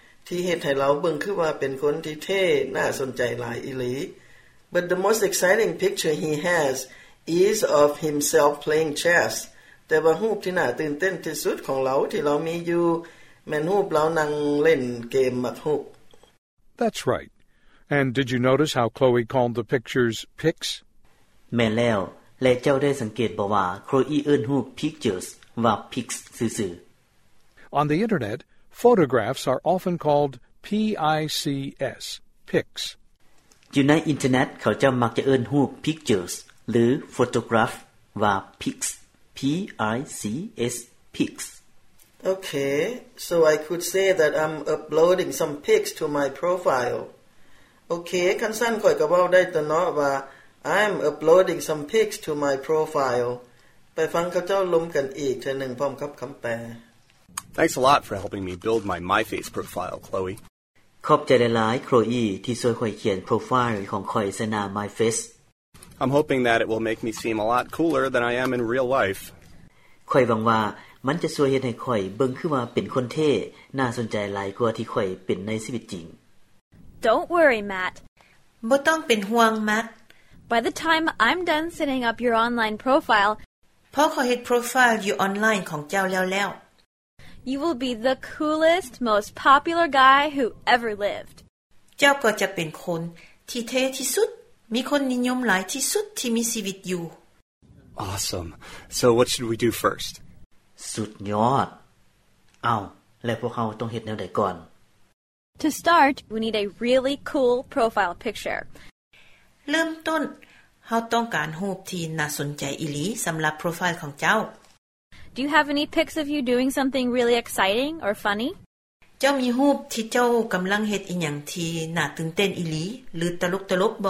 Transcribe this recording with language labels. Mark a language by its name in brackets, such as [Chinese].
[Northeastern Thai] ที่เฮ็ดให้เราเบิ่งคือว่าเป็นคนที่เท่น่าสนใจหลายอีหลี [English] But the most exciting picture he has is of himself playing chess [Northeastern Thai] แต่ว่ารูปที่น่าตื่นเต้นที่สุดของเราที่เรามีอยู่แม่นรูปเรานั่งเล่นเกมหมากรุก [English] That's right. And did you notice how Chloe called the pictures pics? [Northeastern Thai] แม่แล้วและเจ้าได้สังเกตบ่ว่า Chloe เอิ้นรูป pictures ว่า pics ซื่อๆ [English] On the internetPhotographs are often called PICS, pics. [Northeastern Thai] อยู่ในอินเทอร์เน็ตเขาจะมักจะเอิ้นรูป pictures หรือ photograph ว่า pics, PICS, pics. [English] Okay, so I could say that I'm uploading some pics to my profile. [Northeastern Thai] Okay, คันสั้นค่อยก็เว้าได้ตะเนาะว่า [English] I'm uploading some pics to my profile. [Northeastern Thai] ไปฟังเขาเจ้าลมกันอีกเทื่อหนึ่งพร้อมกับคำแปล [English] Thanks a lot for helping me build my MyFace profile, Chloe. [Northeastern Thai] ขอบใจหลายๆ Chloe ที่ช่วยข่อยเขียนโปรไฟล์ของข่อยในหน้า MyFace. [English] I'm hoping that it will make me seem a lot cooler than I am in real life. [Northeastern Thai] ข่อยหวังว่ามันจะช่วยเฮ็ดให้ข่อยเบิ่งขึ้นว่าเป็นคนเท่น่าสนใจหลายกว่าที่ข่อยเป็นในชีวิตจริง [English] Don't worry, Matt. [Northeastern Thai] บ่ต้องเป็นห่วง Matt. [English] By the time I'm done setting up your online profile, [Northeastern Thai] พอข่อยเฮ็ดโปรไฟล์อยู่ออนไลน์ของเจ้าแล้ว [English] You will be the coolest, most popular guy who ever lived. [Northeastern Thai] เจ้าก็จะเป็นคนที่เท่ที่สุดมีคนนิยมหลายที่สุดที่มีชีวิตอยู่ [English] Awesome. So what should we do first? [Northeastern Thai] สุดยอดเอาและพวกเราต้องเฮ็ดแนวใดก่อน [English] To start, we need a really cool profile picture. [Northeastern Thai] เริ่มต้นเราต้องการรูปที่น่าสนใจอีหลีสําหรับโปรไฟล์ของเจ้า [English] Do you have any pics of you doing something really exciting or funny? [Northeastern Thai] เจ้ามีรูปที่เจ้ากําลังเฮ็ดอีหยังที่น่าตื่นเต้นอีหลีหรือตลกตลกบ